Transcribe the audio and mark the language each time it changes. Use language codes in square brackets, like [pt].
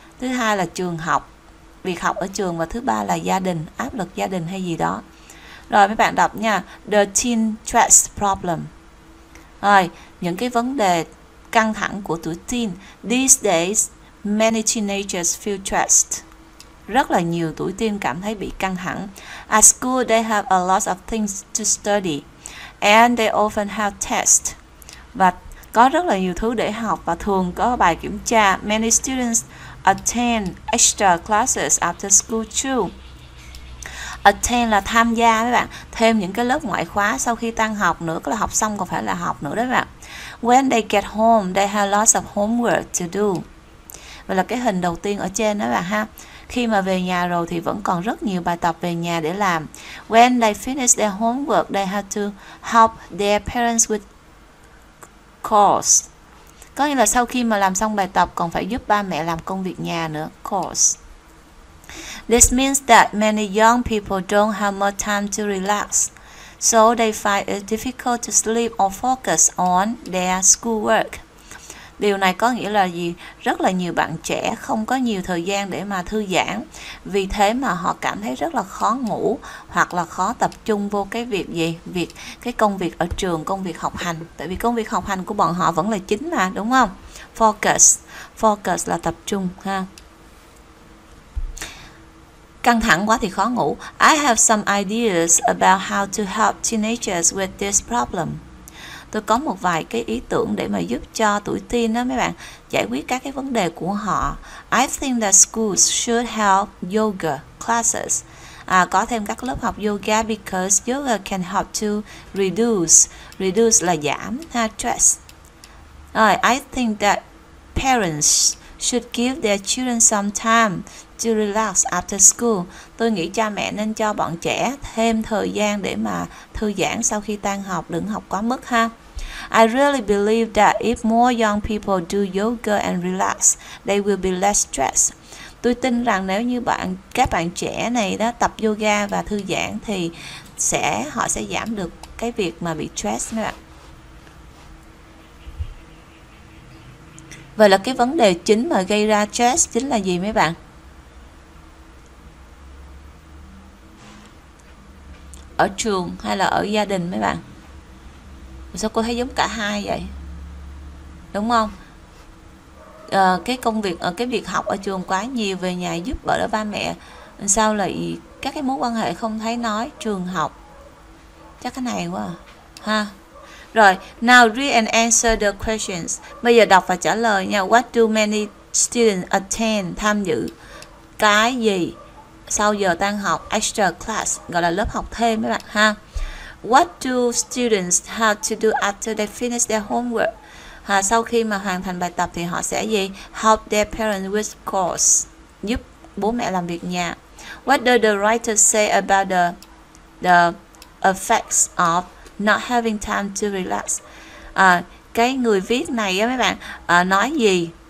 [vi] Thứ hai là trường học, việc học ở trường. Và thứ ba là gia đình, áp lực gia đình hay gì đó. Rồi mấy bạn đọc nha. [en] The teen stress problem. [vi] Rồi, những cái vấn đề căng thẳng của tuổi teen. [en] These days many teenagers feel stressed. [vi] Rất là nhiều tuổi teen cảm thấy bị căng thẳng. [en] At school they have a lot of things to study and they often have tests. [vi] Và có rất là nhiều thứ để học và thường có bài kiểm tra. [en] Many students attend extra classes after school too. [vi] Attend là tham gia các bạn, thêm những cái lớp ngoại khóa sau khi tan học nữa, có là học xong còn phải là học nữa đấy bạn. [en] When they get home, they have lots of homework to do. [vi] Và là cái hình đầu tiên ở trên đó bạn ha. Khi mà về nhà rồi thì vẫn còn rất nhiều bài tập về nhà để làm. [en] When they finish their homework, they have to help their parents with chores. [vi] Có nghĩa là sau khi mà làm xong bài tập còn phải giúp ba mẹ làm công việc nhà nữa. [en] Chores. This means that many young people don't have much time to relax, so they find it difficult to sleep or focus on their schoolwork. [vi] Điều này có nghĩa là gì? Rất là nhiều bạn trẻ không có nhiều thời gian để mà thư giãn, vì thế mà họ cảm thấy rất là khó ngủ hoặc là khó tập trung vô cái việc gì? Việc cái công việc ở trường, công việc học hành. Tại vì công việc học hành của bọn họ vẫn là chính mà, đúng không? Focus. Focus là tập trung ha. Căng thẳng quá thì khó ngủ. [en] I have some ideas about how to help teenagers with this problem. [vi] Tôi có một vài cái ý tưởng để mà giúp cho tuổi teen đó mấy bạn giải quyết các cái vấn đề của họ. [en] I think that schools should have yoga classes. [vi] À, có thêm các lớp học yoga [en] because yoga can help to reduce. [vi] Reduce là giảm ha, stress. [en] Rồi, I think that parents should give their children some time to relax after school. [vi] Tôi nghĩ cha mẹ nên cho bọn trẻ thêm thời gian để mà thư giãn sau khi tan học, đừng học quá mức ha. [en] I really believe that if more young people do yoga and relax, they will be less stressed. [vi] Tôi tin rằng nếu như các bạn trẻ này đó tập yoga và thư giãn thì họ sẽ giảm được cái việc mà bị stress nữa. Vậy là cái vấn đề chính mà gây ra stress chính là gì mấy bạn? Ở trường hay là ở gia đình mấy bạn? Sao cô thấy giống cả hai vậy? Đúng không? À, cái công việc, cái việc học ở trường quá nhiều, về nhà giúp vợ đỡ ba mẹ. Sao lại các cái mối quan hệ không thấy nói trường học? Chắc cái này quá à. Ha. Rồi, [en] now read and answer the questions. [vi] Bây giờ đọc và trả lời nha. [en] What do many students attend? [vi] Tham dự cái gì sau giờ tan học? [en] Extra class, [vi] gọi là lớp học thêm mấy bạn ha. [en] What do students have to do after they finish their homework? [vi] Sau khi mà hoàn thành bài tập thì họ sẽ gì? [en] Help their parents with chores, [vi] giúp bố mẹ làm việc nhà. [en] What does the writer say about the effects of not having time to relax? [vi] Cái người viết này á mấy bạn nói gì?